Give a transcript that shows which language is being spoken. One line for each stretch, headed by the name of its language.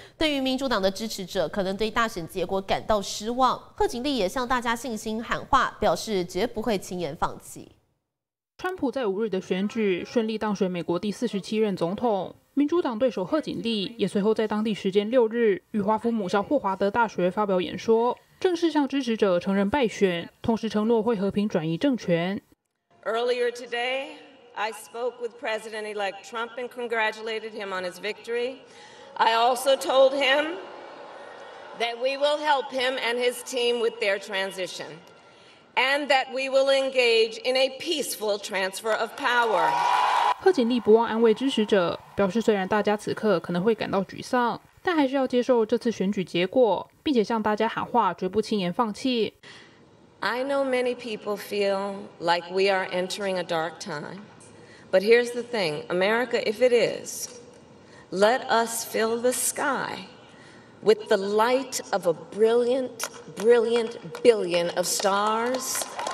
Chinese: 对于民主党的支持者可能对大选结果感到失望，贺锦丽也向大家信心喊话，表示绝不会轻言放弃。川普在5日的选举顺利当选美国第47任总统，民主党对手贺锦丽也随后在当地时间6日于华府母校霍华德大学发表演说，正式向支持者承认败选，同时承诺会和平转移政权。
English: Earlier today, I spoke with President-elect Trump and congratulated him on his victory. I also told him that we will help him and his team with their transition, and that we will engage in a peaceful transfer of power.
Chinese: 贺锦丽不忘安慰支持者，表示虽然大家此刻可能会感到沮丧，但还是要接受这次选举结果，并且向大家喊话，绝不轻言放弃。
English: I know many people feel like we are entering a dark time, but here's the thing, America, if it is, let us fill the sky with the light of a brilliant, brilliant billion of stars.